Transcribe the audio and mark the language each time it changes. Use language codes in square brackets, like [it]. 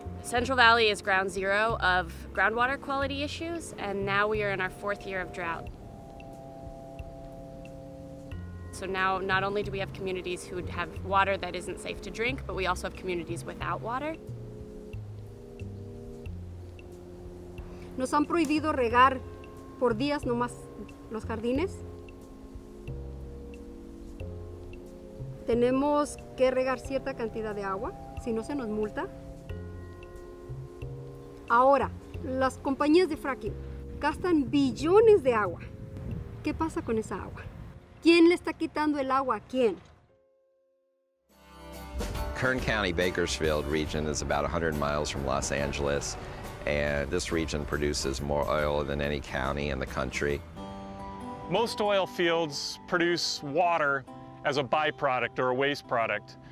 [en] Central Valley is ground zero of groundwater quality issues, and now we are in our fourth year of drought. So now not only do we have communities who have water that isn't safe to drink, but we also have communities without water. [es] Nos han prohibido regar por días nomás los jardines. Tenemos que regar cierta cantidad de agua, si no se nos multa. Ahora, las compañías de fracking gastan billones de agua. ¿Qué pasa con esa agua? ¿Quién le está quitando el agua a quién? [en] Kern County, Bakersfield region is about 100 miles from Los Angeles, and this region produces more oil than any county in the country. Most oil fields produce water as a byproduct or a waste product.